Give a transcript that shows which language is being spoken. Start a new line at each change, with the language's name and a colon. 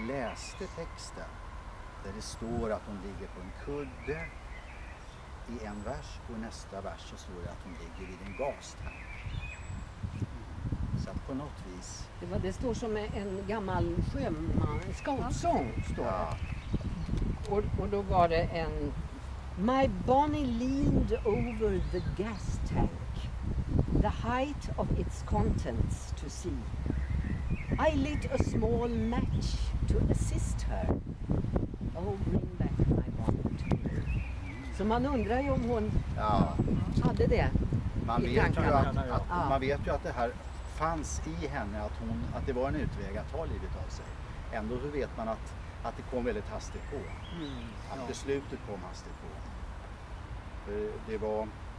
Swedish: När vi läste texten, där det står att hon ligger på en kudde i en vers, och i nästa vers så står det att hon ligger vid en gastank. Så att på något vis... Det står som en gammal sjömanskapssång, står det. Ja. Och då var det en...
English: My bonnie leaned over the gas tank. The height of its contents to see. I lit a small match to assist her. Oh, bring back my bonnie to me.
Swedish: Så man undrar ju om hon hade det. Man vet ju att det här fanns i henne, att det var en utväg att ta livet av sig. Ändå så vet man att det kom väldigt hastigt på. Att beslutet kom hastigt på. Det var...